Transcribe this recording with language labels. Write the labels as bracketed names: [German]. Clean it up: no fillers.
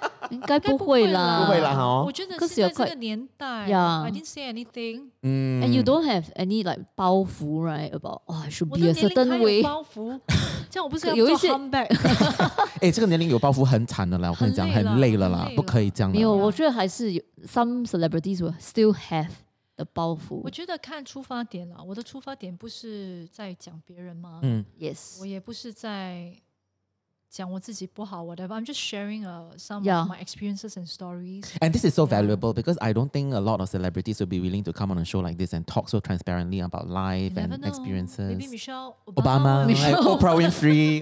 [Chinese] 应该不会啦。我觉得现在这个年代, [English] I didn't say anything. And you don't have any like 包袱, right? About, I should be a certain way. [Chinese] 我的年龄还有包袱?这样我不是要做comeback? 这个年龄有包袱很惨的啦, 我跟你讲, 很累了啦, 不可以这样啦。没有, 我觉得还是有, [English] some celebrities will still have [Chinese] 的包袱. 我觉得看出发点啦, 我的出发点不是在讲别人吗? [English] Yes. [Chinese] 我也不是在讲我自己不好 [English] whatever. I'm just sharing some of my experiences and stories. And this is so valuable because I don't think a lot of celebrities will be willing to come on a show like this and talk so transparently about life and experiences. Maybe Michelle Obama. Oprah Winfrey.